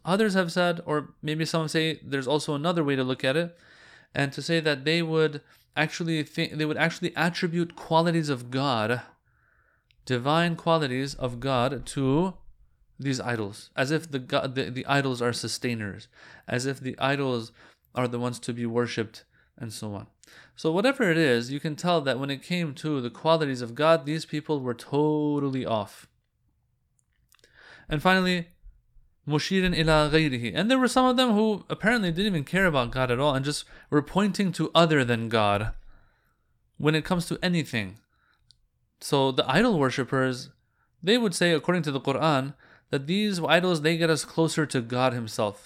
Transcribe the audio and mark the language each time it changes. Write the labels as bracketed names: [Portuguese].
[English] Others have said, or maybe some say, there's also another way to look at it, and to say that they would actually attribute qualities of God, divine qualities of God, to these idols, as if the idols are sustainers, as if the idols are the ones to be worshipped, and so on. So whatever it is, you can tell that when it came to the qualities of God, these people were totally off. [Arabic] And finally, مُشِيرٍ إِلَى غَيْرِهِ. [English] And there were some of them who apparently didn't even care about God at all and just were pointing to other than God when it comes to anything. So the idol worshippers, they would say, according to the Quran, that these idols, they get us closer to God Himself.